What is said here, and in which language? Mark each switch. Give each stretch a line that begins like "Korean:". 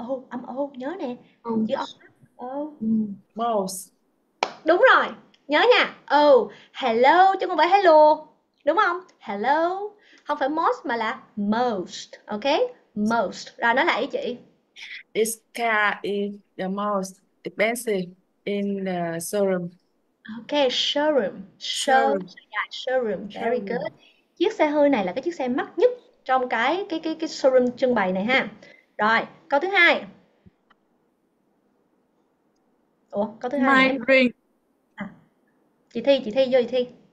Vietnamese: Âm ô, nhớ nè. Chữ ô.
English: Most.
Vietnamese: Đúng rồi, nhớ nha. Hello, chứ không phải hello. Đúng không? Hello. Không phải most mà là most. Ok? Most. Rồi nói lại ý chị.
English: This car is the most expensive in the showroom. Ok, showroom. Showroom. Very good.
Vietnamese: Chiếc xe hơi này là cái chiếc xe mắc nhất trong cái showroom trưng bày này ha. Rồi, câu thứ hai. Ủa, câu thứ hai.
English: My ring.
Vietnamese: Chị Thi, vô chị Thi.